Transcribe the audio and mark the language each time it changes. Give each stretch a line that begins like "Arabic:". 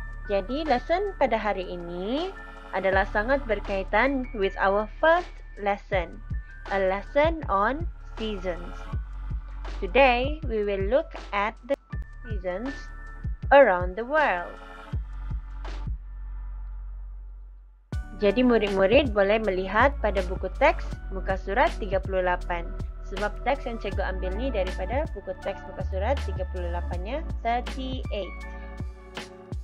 Malay: Jadi, lesson pada hari ini adalah sangat berkaitan
English: with our first lesson, a lesson on seasons. Today, we will look at the seasons around the world.
Malay: Jadi, murid-murid boleh melihat pada buku teks muka surat 38, sebab teks yang cikgu ambil ni daripada buku teks muka surat 38-nya 38.